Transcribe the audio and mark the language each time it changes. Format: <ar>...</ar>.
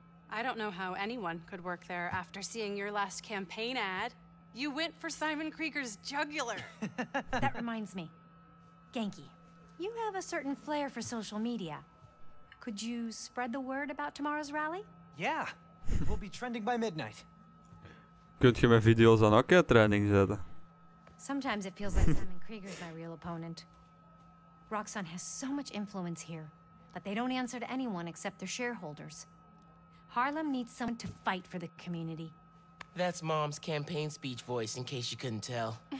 <en>I don't know how anyone could work there after seeing your last campaign ad. You went for Simon Krieger's jugular. That reminds me. Genki, you have a certain flair for social media. Could you spread the word about tomorrow's rally? Yeah, we'll be trending by midnight.</en> <nl>Kunt je mijn video's dan ook trending zetten?</nl> <en>Sometimes it feels like Simon Krieger's my real opponent. Roxxon has so much influence here, but they don't answer to anyone except their shareholders. Harlem needs someone to fight for the community. That's Mom's campaign speech voice, in case you couldn't tell.</en>